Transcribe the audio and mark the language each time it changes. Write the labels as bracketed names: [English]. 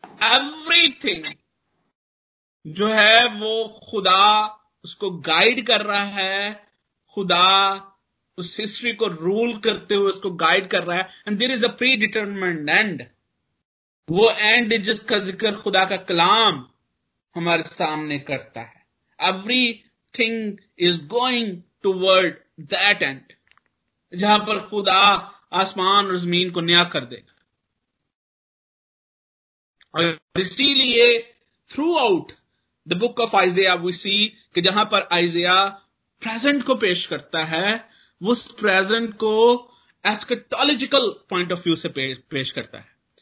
[English] everything [Urdu] جو ہے وہ خدا اس کو گائیڈ کر رہا ہے, خدا اس ہسٹری کو رول کرتے ہوئے اس کو گائیڈ کر رہا ہے. [English] and there is a pre determined and, [Urdu] وہ اینڈ جس کا ذکر خدا کا کلام ہمارے سامنے کرتا ہے. [English] everything is going toward that end, [Urdu] جہاں پر خدا آسمان اور زمین کو نیا کر دے گا. اور اسی لیے [English] throughout the book of Isaiah we see [Urdu] کہ جہاں پر آئزیا پریزنٹ کو پیش کرتا ہے, اس پریزنٹ کو [English] eschatological point of view [Urdu] سے پیش کرتا ہے.